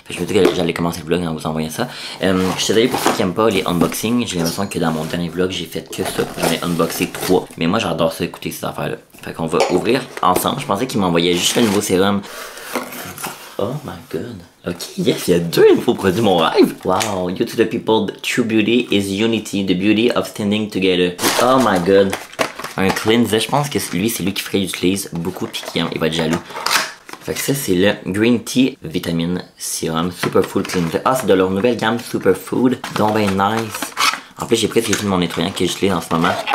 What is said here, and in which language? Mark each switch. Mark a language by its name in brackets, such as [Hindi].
[French] Puis je me disais que j'allais commencer le vlog en vous envoyant ça. Je suis désolé pour ceux qui aiment pas les unboxings. J'ai l'impression que dans mon dernier vlog, j'ai fait que ça. J'en ai unboxé 3. Mais moi, j'adore ça, écouter ces affaires-là. Fait qu'on va ouvrir ensemble. Je pensais qu'il m'envoyait juste le nouveau sérum. [English] Oh my god! [French] Ok, yes, il y a 2 nouveaux produits, mon rêve! [English] Wow, You To The People, the true beauty is unity, the beauty of standing together. Oh my god! [French] Un cleanser, je pense que lui, c'est lui qui ferait utilise beaucoup pis qu'il va être jaloux. Fait que ça, c'est le Green Tea Vitamin Serum Superfood Cleanser. Ah, c'est de leur nouvelle gamme Superfood, donc ben nice! En plus, j'ai presque mon nettoyant que j'utilise en ce moment.